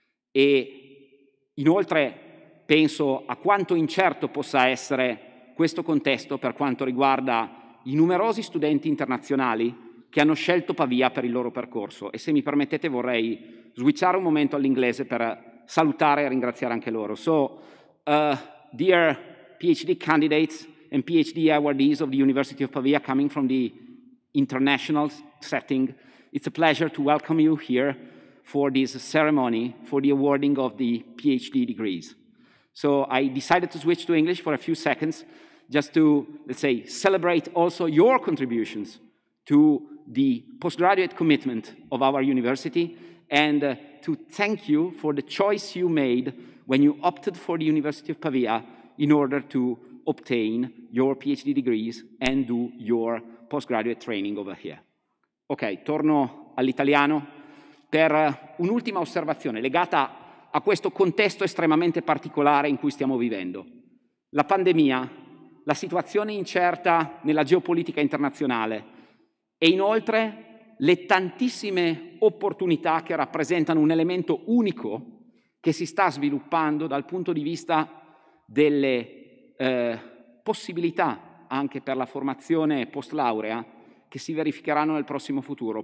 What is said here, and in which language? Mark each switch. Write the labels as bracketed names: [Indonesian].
[Italian] E inoltre penso a quanto incerto possa essere questo contesto per quanto riguarda i numerosi studenti internazionali che hanno scelto Pavia per il loro percorso. E se mi permettete vorrei switchare un momento all'inglese per salutare e ringraziare anche loro. [English] So, dear PhD candidates and PhD awardees of the University of Pavia coming from the international setting, it's a pleasure to welcome you here for this ceremony for the awarding of the PhD degrees. So I decided to switch to English for a few seconds just to, let's say, celebrate also your contributions to the postgraduate commitment of our university and to thank you for the choice you made when you opted for the University of Pavia in order to obtain your PhD degrees and do your postgraduate training over here. [Italian] Ok, torno all'italiano per un'ultima osservazione legata a questo contesto estremamente particolare in cui stiamo vivendo. La pandemia, la situazione incerta nella geopolitica internazionale e inoltre le tantissime opportunità che rappresentano un elemento unico che si sta sviluppando dal punto di vista delle possibilità anche per la formazione post laurea che si verificheranno nel prossimo futuro.